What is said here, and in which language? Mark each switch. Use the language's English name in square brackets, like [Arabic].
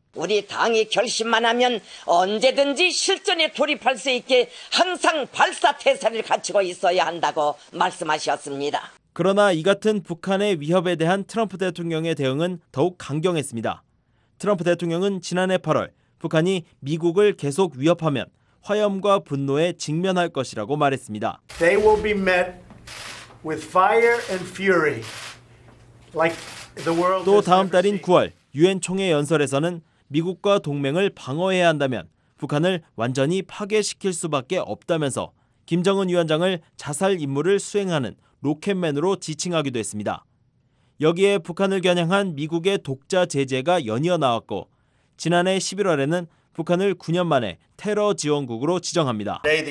[Korean] 우리 당이 결심만 하면 언제든지 실전에 돌입할 수 있게 항상 발사태세를 갖추고 있어야 한다고 말씀하셨습니다. 그러나 이 같은 북한의 위협에 대한 트럼프 대통령의 대응은 더욱 강경했습니다. 트럼프 대통령은 지난해 8월 북한이 미국을 계속 위협하면 화염과 분노에 직면할 것이라고 말했습니다. [English] They will be met with fire and fury like the world. [Korean] 또 다음 달인 9월 유엔 총회 연설에서는 미국과 동맹을 방어해야 한다면 북한을 완전히 파괴시킬 수밖에 없다면서 김정은 위원장을 자살 임무를 수행하는 로켓맨으로 지칭하기도 했습니다. 여기에 북한을 겨냥한 미국의 독자 제재가 연이어 나왔고 지난해 11월에는 북한을 9년 만에 테러 지원국으로 지정합니다.